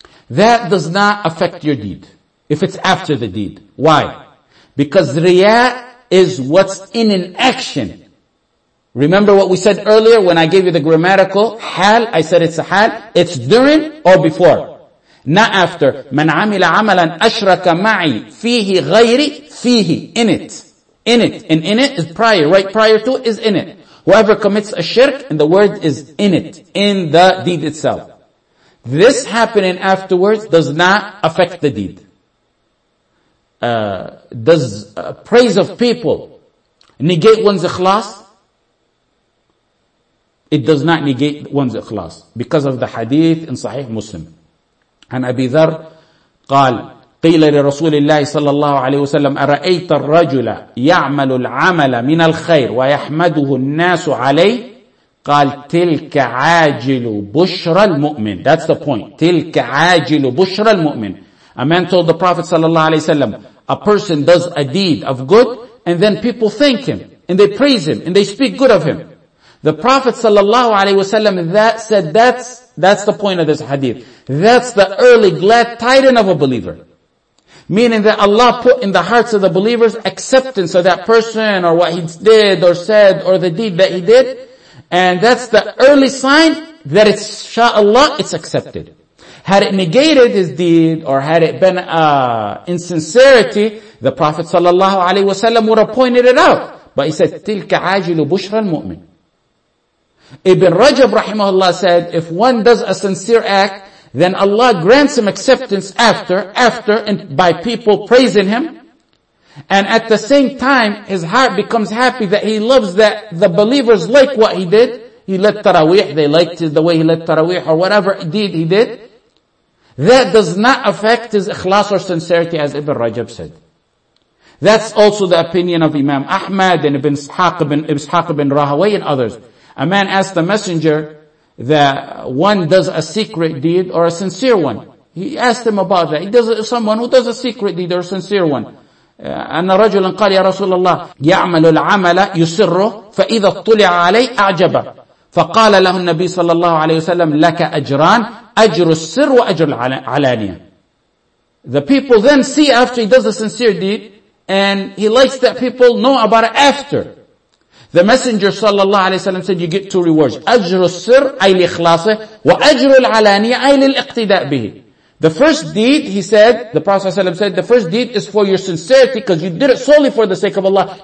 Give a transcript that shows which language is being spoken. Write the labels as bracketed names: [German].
[English] That does not affect your deed if it's after the deed. Why? Because riya is what's in an action. Remember what we said earlier when I gave you the grammatical hal? I said it's a hal. It's during or before. Not after. [Arabic] من عمل عملا أشرك معي فيه غيري فيه. [English] In it. In it. And in it is prior. Right prior to is in it. Whoever commits a shirk, and the word is in it. In the deed itself. This happening afterwards does not affect the deed. Does praise of people negate one's ikhlas? It does not negate one's ikhlas. Because of the hadith in Sahih Muslim. [Arabic] عن أبي ذر قال قيل لرسول الله صلى الله عليه وسلم أرأيت الرجل يعمل العمل من الخير ويحمده الناس عليه قال تلك عاجل بشرى المؤمن. [English] That's the point. [Arabic] تلك عاجل بشرى المؤمن. [English] A man told the Prophet صلى الله عليه وسلم, a person does a deed of good and then people thank him and they praise him and they speak good of him. The Prophet صلى الله عليه وسلم said that's the point of this hadith. That's the early glad tidings of a believer. Meaning that Allah put in the hearts of the believers acceptance of that person or what he did or said or the deed that he did. And that's the early sign that it's, inshallah, it's accepted. Had it negated his deed or had it been insincerity, the Prophet sallallahu alayhi wasallam would have pointed it out. But he said, [Arabic] تِلْكَ عَاجِلُ بُشْرَ الْمُؤْمِنِ. [English] Ibn Rajab rahimahullah said, if one does a sincere act, then Allah grants him acceptance after, and by people praising him. And at the same time, his heart becomes happy that he loves that the believers like what he did. He led taraweeh, they liked the way he led taraweeh, or whatever deed he did. That does not affect his ikhlas or sincerity, as Ibn Rajab said. That's also the opinion of Imam Ahmad and Ibn Ishaq ibn Rahaway and others. A man asked the messenger that one does a secret deed or a sincere one. He asked him about that. He does it, someone who does a secret deed or a sincere one. [Arabic] أن رجلا قال يا رسول الله يعمل العمل يسره فإذا اطلع عليه أعجبه فقال له النبي صلى الله عليه وسلم لك أجران أجر السر وأجر العلانية. [English] The people then see after he does a sincere deed and he likes that people know about it after. The messenger sallallahu alayhi wa sallam said, you get two rewards. [Arabic] أَجْرُ السِّرِّ أَيْ لِإِخْلَاصِهِ وَأَجْرُ الْعَلَانِيَ أَيْ لِلْإِقْتِدَاءِ بِهِ. [English] The first deed, he said, the Prophet sallallahu alayhi wa sallam said, the first deed is for your sincerity because you did it solely for the sake of Allah.